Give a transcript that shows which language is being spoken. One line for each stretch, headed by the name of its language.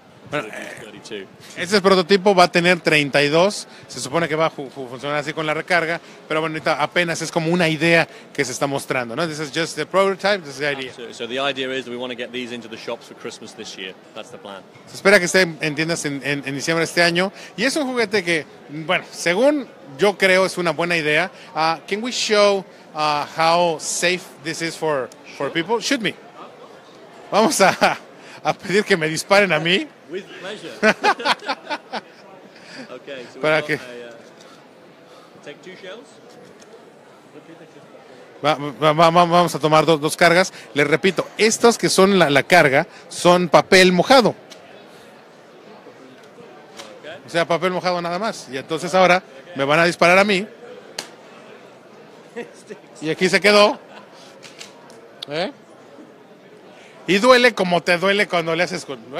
Spanish: Bueno, este prototipo va a tener 32, se supone que va a funcionar así con la recarga, pero bueno, apenas es como una idea que se está mostrando, ¿no?
English: This is just the prototype, this is the idea. Absolutely. So the idea is that we want to get these into the shops for Christmas this year, that's the plan.
Spanish: Se espera que esté en tiendas en diciembre de este año, y es un juguete que, bueno, según yo creo es una buena idea.
English: Can we show how safe this is for people? Shoot me.
Spanish: Vamos a pedir que me disparen a mí.
English: With pleasure. Okay, so we've got take two shells.
Spanish: Vamos a tomar dos cargas. Les repito, estas que son la carga son papel mojado.
English: Okay.
Spanish: O sea, papel mojado nada más. Y entonces ahora me van a disparar a mí. Y aquí se quedó. ¿Eh? Y duele como te duele cuando le haces con...